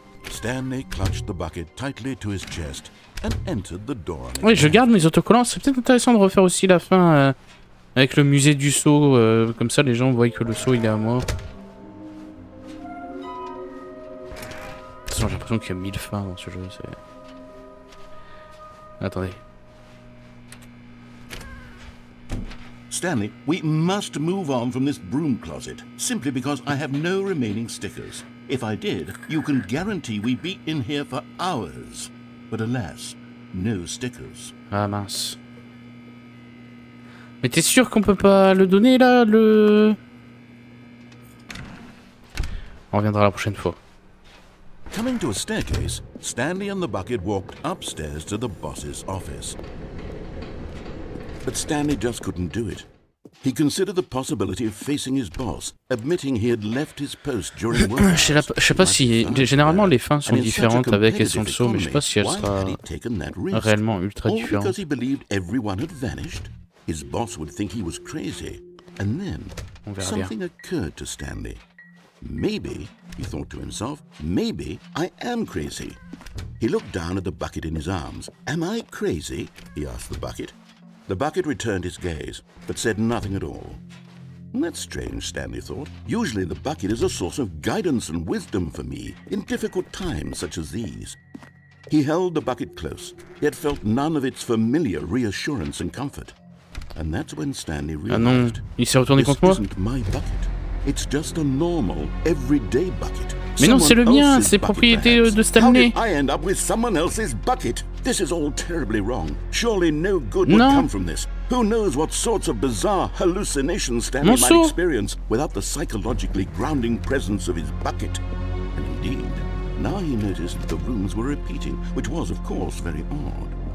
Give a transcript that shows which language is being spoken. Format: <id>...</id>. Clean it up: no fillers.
<en>Stanley clutched the bucket tightly to his chest and entered the door.</en> <fr>Oui, je garde mes autocollants. C'est peut-être intéressant de refaire aussi la fin avec le musée du seau. Comme ça, les gens voient que le seau il est à moi. De toute façon, j'ai l'impression qu'il y a 1000 fins dans ce jeu. C'est... Attendez.</fr> <en>Stanley, we must move on from this broom closet, simply because I have no remaining stickers. If I did, you can guarantee we'd be in here for hours. But alas, no stickers.</en> <fr>Ah mince. Mais t'es sûr qu'on peut pas le donner là, le... On reviendra la prochaine fois.</fr> <en>Coming to a staircase, Stanley and the bucket walked upstairs to the boss's office. But Stanley just couldn't do it. He considered the possibility of facing his boss, admitting he had left his post during work.</en> <fr>Généralement les fins sont différentes avec et sans le saut, mais je sais pas si elle sera réellement ultra différente.</fr> <en>Because he believed everyone had vanished, his boss would think he was crazy. And then something occurred to Stanley. Maybe, he thought to himself, maybe I am crazy. He looked down at the bucket in his arms. Am I crazy? He asked the bucket. The bucket returned his gaze, but said nothing at all. That's strange, Stanley thought. Usually the bucket is a source of guidance and wisdom for me in difficult times such as these. He held the bucket close, yet felt none of its familiar reassurance and comfort. And that's when Stanley realized,</en> <fr>ah non, il s'est retourné contre moi.</fr> <en>This isn't my bucket. It's just a normal, everyday bucket.</en> <fr>Mais non, c'est le mien, c'est propriété de Stanley.</fr> <en>How did I end up with someone else's bucket? This is all terribly wrong. Surely no good would come from this. Who knows what sorts of bizarre hallucinations Stanley might experience without the psychologically grounding presence of his bucket. And indeed, now he noticed that the rooms were repeating, which was, of course, very odd.</en>